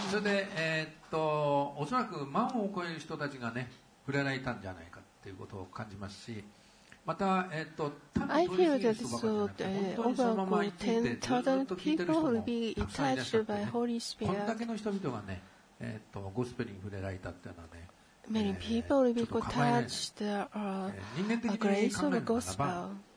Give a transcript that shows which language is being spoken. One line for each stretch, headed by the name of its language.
Japanese: それで、おそらく万を超える人たちがね、触れられたんじゃないかっていうことを感じますし、また、
English: I feel that so over 10,000 people will be touched by Holy Spirit.
Japanese: こんだけの人々がね、ゴスペルに触れられたっていうのはね、
English: Many people will be touched the grace of the gospel.